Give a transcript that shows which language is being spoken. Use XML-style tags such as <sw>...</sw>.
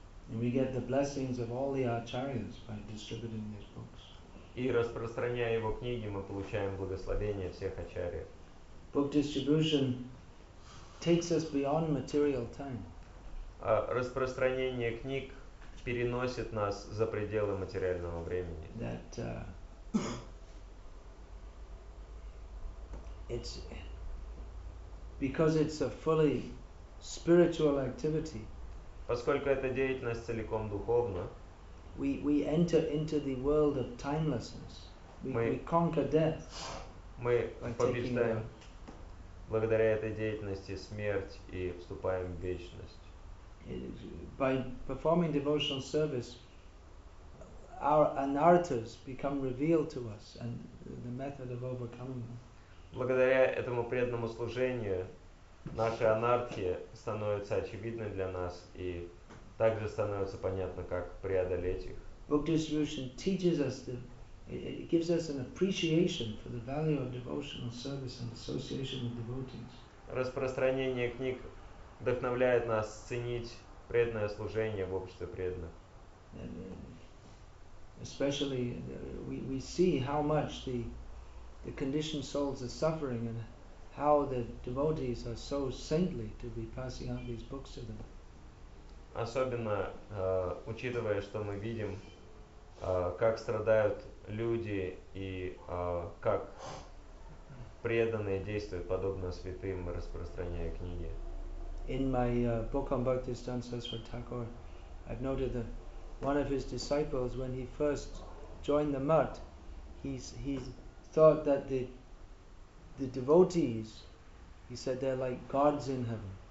<en>We get the blessings of all the acharyas by distributing these books.</en> <ru>И распространяя его книги, мы получаем благословение всех ачарьев.</ru> <en>Book distribution takes us beyond material time.</en> <ru>Распространение книг переносит нас за пределы материального времени.</ru> <en>That it's because it's a fully spiritual activity.</en> <ru>Поскольку эта деятельность целиком духовна,</ru> <en>we enter into the world of timelessness. We conquer death.</en> <ru>Мы побеждаем благодаря этой деятельности смерть и вступаем в вечность.</ru> <en>By performing devotional service, our anartas become revealed to us, and the method of overcoming them.</en> <ru>Благодаря этому преданному служению наши анартхи становятся очевидны для нас и также становится понятно, как преодолеть их.</ru> <en>Book distribution teaches us the, it gives us an appreciation for the value of devotional service and association with devotees.</en> <ru>Распространение книг вдохновляет нас ценить преданное служение в обществе преданных.</ru> <en>Especially we see how much the conditioned souls are suffering and how the devotees are so saintly to be passing out these books to them.</en> <ru>Особенно учитывая, что мы видим, как страдают люди и как преданные действуют подобно святым, распространяя книги.</ru> <en>In my book on Bhaktisiddhanta Saraswati Thakur, I've noted that one of his disciples, when he first joined the mutt, he's thought that the devotees, he said, they're like gods in heaven.</en>